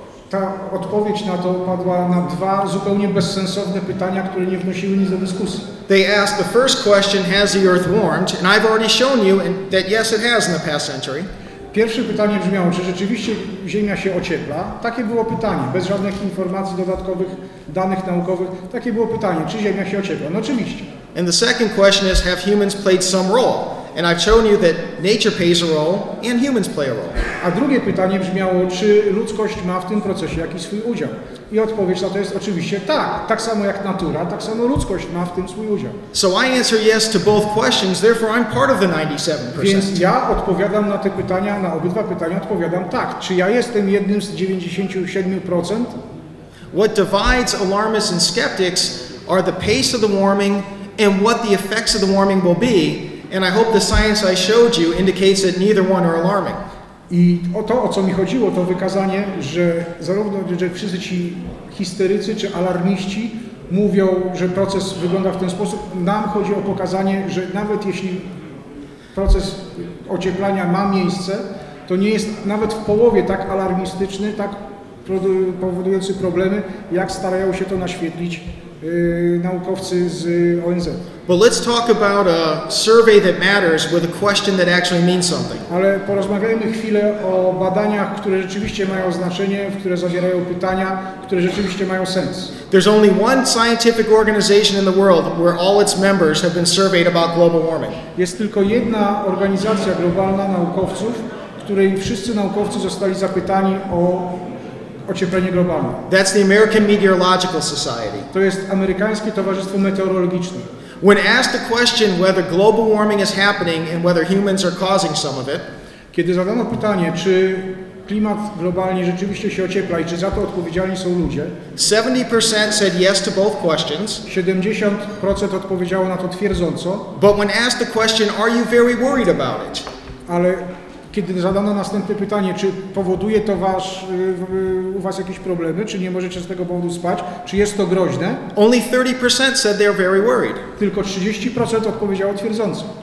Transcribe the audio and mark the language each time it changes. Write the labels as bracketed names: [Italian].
[Polish] Ta odpowiedź na to padła na dwa zupełnie bezsensowne pytania, które nie wnosiły nic do dyskusji. [English] They asked the first question, has the earth warmed? And I've already shown you that yes, it has in the past century. [Polish] Pierwsze pytanie brzmiało, czy rzeczywiście Ziemia się ociepla? Takie było pytanie, bez żadnych informacji dodatkowych, danych naukowych. Takie było pytanie, czy Ziemia się ociepla? No oczywiście. [English] And the second question is, have humans played some role? And I've shown you that nature plays a role and humans play a role. [Polish] A drugie pytanie brzmiało, czy ludzkość ma w tym procesie jakiś swój udział? I odpowiedź na to jest oczywiście tak. Tak samo jak natura, tak samo ludzkość ma w tym swój udział. [English] So I answer yes to both questions, therefore I'm part of the 97%. [Polish] Więc ja odpowiadam na te pytania, na obydwa pytania odpowiadam tak. Czy ja jestem jednym z 97%? [English] What divides alarmists and skeptics are the pace of the warming and what the effects of the warming will be. And I hope the science I showed you indicates that neither one are alarming. [Polish] I o to, o co mi chodziło, to wykazanie, że zarówno że wszyscy ci histerycy czy alarmiści mówią, że proces wygląda w ten sposób, nam chodzi o pokazanie, że nawet jeśli proces ocieplania ma miejsce, to nie jest nawet w połowie tak alarmistyczny, tak powodujący problemy, jak starają się to naświetlić naukowcy z ONZ. [English] But let's talk about a survey that matters with a question that actually means something. [Polish] Ale porozmawiajmy chwilę o badaniach, które rzeczywiście mają znaczenie, w które zawierają pytania, które rzeczywiście mają sens. [English] There's only one scientific organization in the world where all its members have been surveyed about global warming. [Polish] Jest tylko jedna organizacja globalna naukowców, której wszyscy naukowcy zostali zapytani o ocieplenie globalne. [English] That's the American Meteorological Society. [Polish] To jest amerykańskie towarzystwo meteorologiczne. [English] When asked the question whether global warming is happening and whether humans are causing some of it, [Polish] kiedy zadano pytanie, czy klimat globalnie rzeczywiście się ociepla i czy za to odpowiedzialni są ludzie, [English] 70% said yes to both questions. [Polish] 70% odpowiedziało na to twierdząco. [English] But when asked the question, are you very worried about it? [Polish] Ale kiedy zadano następne pytanie, czy powoduje to u was jakieś problemy, czy nie możecie z tego powodu spać, czy jest to groźne? [English] Only 30% said they are very worried. [Polish] Tylko 30% odpowiedziało twierdząco.